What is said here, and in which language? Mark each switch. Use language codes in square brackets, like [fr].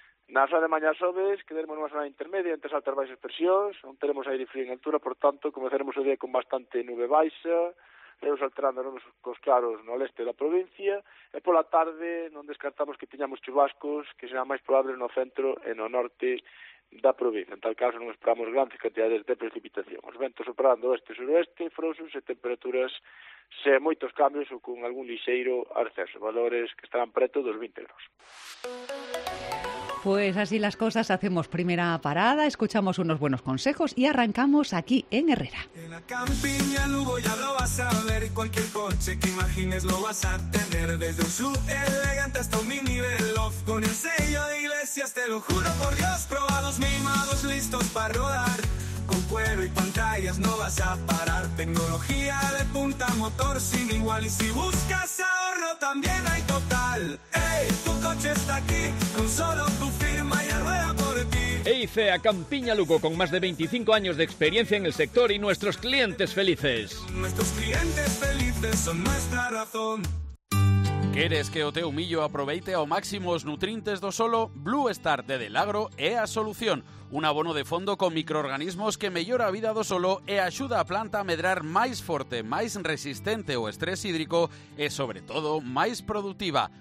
[gl] Na zona de mañá xoves, quedaremos nunha zona intermedia entre altas e baixas presións, non teremos aire frío en altura, por tanto, comezaremos o día con bastante nube baixa, ceos alterando os cos claros no leste da provincia, e pola tarde non descartamos que teñamos chubascos, que serán máis probables no centro e no norte da provincia. En tal caso, non esperamos grandes cantidades de precipitación. Os ventos soprarán do oeste e suroeste, frosos e temperaturas sen moitos cambios ou con algún lixeiro ascenso. Valores que estarán preto dos 20 graus. [es] Pues así las cosas. Hacemos primera parada, escuchamos unos buenos consejos y arrancamos aquí en Herrera. En la campiña Lugo ya lo vas a ver, cualquier coche que imagines lo vas a tener, desde un SUV elegante hasta un minivel off, con el sello de Iglesias, te lo juro por Dios, probados, mimados, listos para rodar, con cuero y pantallas no vas a parar, tecnología de punta, motor sin igual, y si buscas ahorro también hay Total. ¡Ey! Tu coche está aquí, con solo tu firma y arrueda por ti. EICEA Campiña Lugo, con más de 25 años de experiencia en el sector y nuestros clientes felices. Nuestros clientes felices son nuestra razón. [gl] ¿Queres que o teu millo aproveite ao máximo os nutrientes do solo? Blue Star de Delagro é a solución. Un abono de fondo con microorganismos que mellora a vida do solo e axuda a planta a medrar máis forte, máis resistente ao estrés hídrico e, sobre todo, máis productiva.